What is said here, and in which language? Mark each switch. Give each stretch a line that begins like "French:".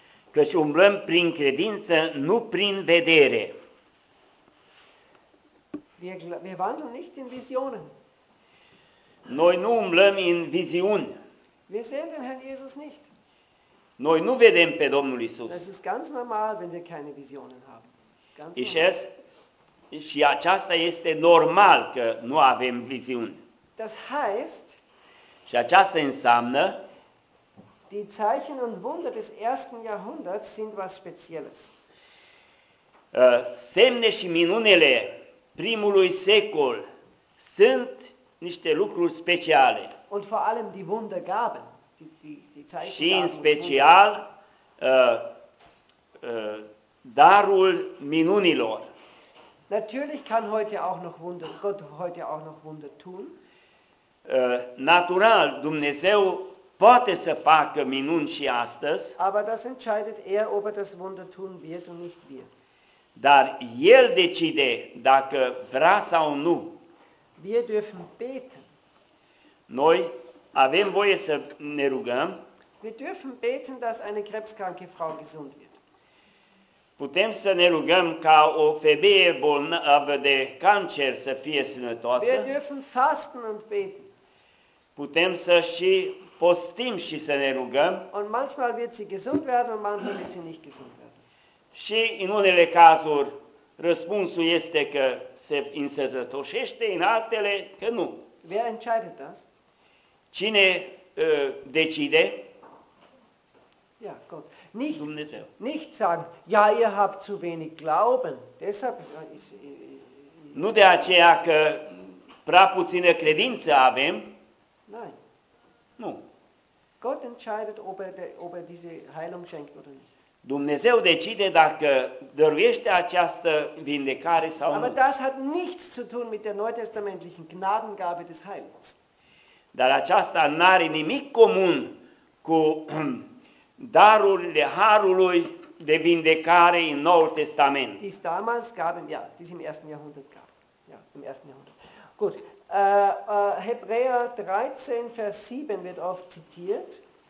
Romanian: Căci umblăm prin credință, nu prin vedere.
German: Wir wandeln nicht in Visionen.
Romanian: Noi nu umblăm în viziuni.
German: Wir sehen den Herrn Jesus nicht.
Romanian: Noi nu vedem pe Domnul Isus.
German: Das ist ganz normal, wenn wir keine Visionen haben.
Romanian: Și aceasta este normal că nu avem viziuni.
German: Das heißt,
Romanian: și aceasta înseamnă,
German: die Zeichen und Wunder des ersten Jahrhunderts sind was Spezielles.
Romanian: Semne și minunele primului secol sunt niște lucruri speciale.
German: Und vor allem die Wundergaben, die Zeichen.
Romanian: Și în special darul minunilor.
German: Natürlich kann heute auch noch Wunder, Gott heute auch noch Wunder tun.
Romanian: Natural, Dumnezeu poate să facă minuni și astăzi.
German: Aber das entscheidet er, ob er das Wunder tun wird und nicht wir.
Romanian: Dar el decide dacă vrea sau nu.
German: Wir dürfen beten.
Romanian: Noi avem voie să ne rugăm.
German: Wir dürfen beten, dass eine krebskranke Frau gesund wird.
Romanian: Putem să ne rugăm ca o femeie bolnavă de cancer să fie sănătoasă.
German: Wir dürfen fasten und beten.
Romanian: Putem să și postim și să ne rugăm.
German: Und manchmal wird sie gesund werden und manchmal wird sie nicht gesund werden.
Romanian: Și în unele cazuri răspunsul este că se însătătoșește, în altele că nu.
German: Wer entscheidet das?
Romanian: Cine decide?
German: Ja, Gott. Nicht Dumnezeu. Nicht sagen, ja, ihr habt zu wenig Glauben. Deshalb
Romanian: nu de aceea că prea puțină credință avem.
German: Nein.
Romanian: Nu.
German: Gott entscheidet, ob er diese Heilung schenkt oder nicht.
Romanian: Dumnezeu decide dacă dăruiește această vindecare sau nu.
German: Aber das hat nichts zu tun mit der neutestamentlichen Gnadengabe des Heilens.
Romanian: Dar aceasta n-are nimic comun cu darurile harului de vindecare în Noul Testament.
German: Die es damals gab, ja, die es im ersten Jahrhundert gab. Ja, im ersten Jahrhundert. Gut. Hebräer 13, Vers 7 wird oft zitiert.